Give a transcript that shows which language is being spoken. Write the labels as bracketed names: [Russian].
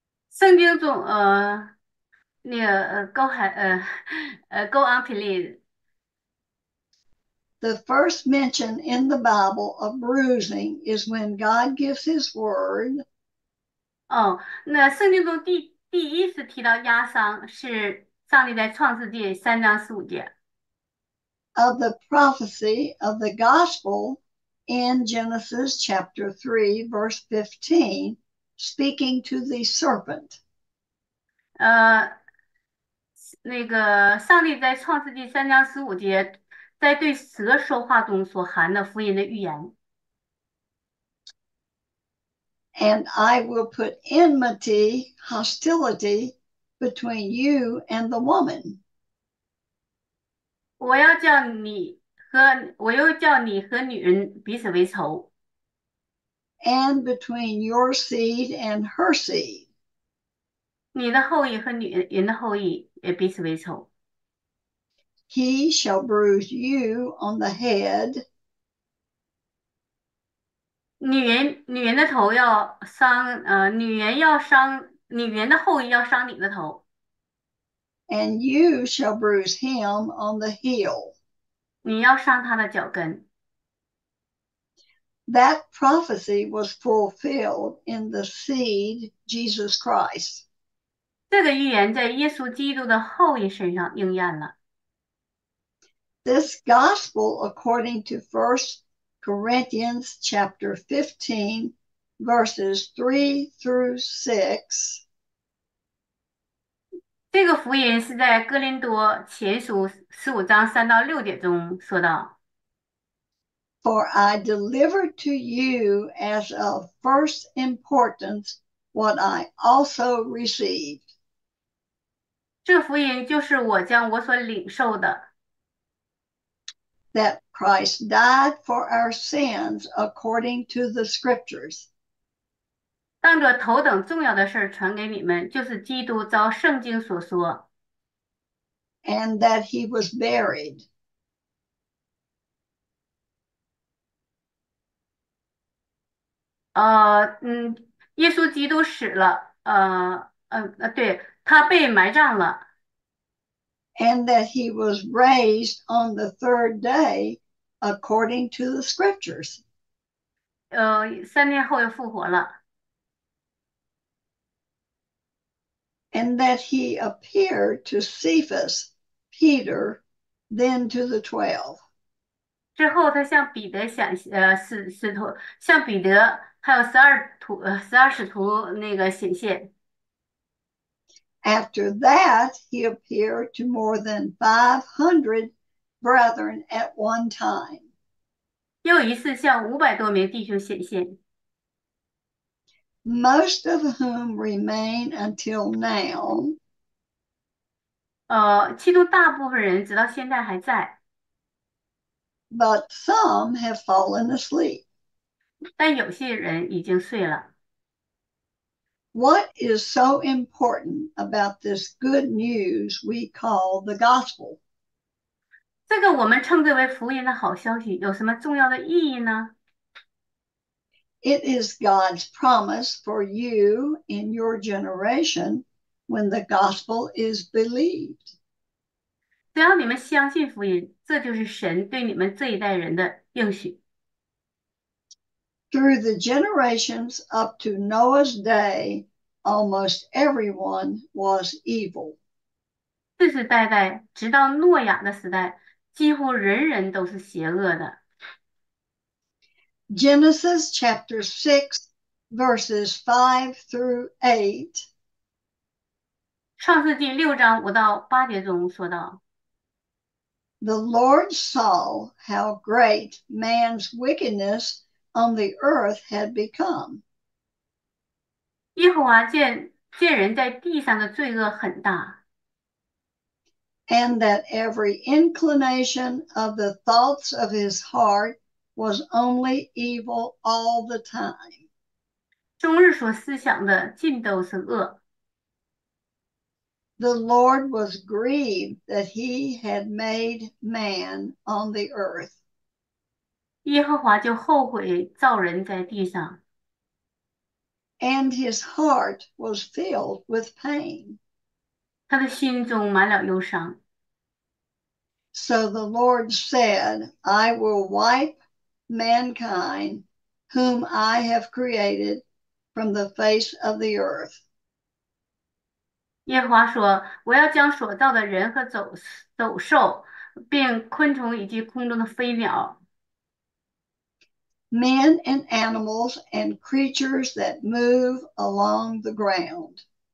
[Chinese] 圣经中 [English] go on please. The first mention in the Bible of bruising is when God gives his word. [Chinese] 哦，那圣经中第一次提到压伤是上帝在创世纪三章十五节。 [English] Of the prophecy of the gospel in Genesis chapter 3 verse 15. Speaking to the serpent. [Chinese] 那个上帝在创世纪三章十五节在对蛇说话中所含的福音的预言。 [English] And I will put enmity, hostility between you and the woman. [Chinese] 我要叫你和女人彼此为仇。 [English] And between your seed and her seed. [Chinese] 你的后裔和女人的后裔也彼此为仇。 [English] He shall bruise you on the head. [Chinese] 女人的头要伤女人要伤女人的后裔要伤你的头。 [English] And you shall bruise him on the heel. [Chinese] 你要伤他的脚跟。 [English] That prophecy was fulfilled in the seed Jesus Christ. [Chinese] 这个预言在耶稣基督的后裔身上应验了。 [English] This gospel according to 1 Corinthians chapter 15 verses 3 through 6. [Chinese] 这个福音是在哥林多前书十五章三到六节中说到。 [English] For I delivered to you as of first importance what I also received. [Chinese] 这福音就是我将我所领受的。 [English] That Christ died for our sins according to the scriptures. [Chinese] 当着头等重要的事传给你们，就是基督照圣经所说。 [English] And that he was buried. [Chinese] 耶稣基督死了，对，他被埋葬了。 [English] And that he was raised on the third day according to the scriptures. [Chinese] 3天后又复活了。 [English] And that he appeared to Cephas, Peter, then to the 12. [Chinese] 之后，他向彼得显，使徒向彼得还有十二使徒那个显现。 [English] After that, he appeared to more than 500 brethren at one time. [Chinese] 又一次向500多名弟兄显现。 [English] Most of whom remain until now. [Chinese] 其中大部分人直到现在还在。 [English] But some have fallen asleep. [Chinese] 但有些人已经睡了。 [English] What is so important about this good news we call the gospel? [Chinese] 这个我们称之为福音的好消息，有什么重要的意义呢？ [English] It is God's promise for you in your generation when the gospel is believed. [Chinese] 只要你们相信福音，这就是神对你们这一代人的应许。 [English] Through the generations up to Noah's day, almost everyone was evil. [Chinese] 世世代代，直到诺亚的时代，几乎人人都是邪恶的。 [English] Genesis chapter 6, verses 5 through 8. [Chinese] 创世纪六章五到八节中说道。 [English] The Lord saw how great man's wickedness on the earth had become. [Chinese] 耶和华见人在地上的罪恶很大。 [English] And that every inclination of the thoughts of his heart was only evil all the time. [Chinese] 终日所思想的尽都是恶。 [English] The Lord was grieved that he had made man on the earth. [Chinese] 耶和华就后悔造人在地上。 [English] And his heart was filled with pain. [Chinese] 他的心中满了忧伤。 [English] So the Lord said, I will wipe mankind whom I have created from the face of the earth. [Chinese] 耶和华说，我要将所造的人和走兽，并昆虫以及空中的飞鸟。 [English] Men and animals and creatures that move along the ground.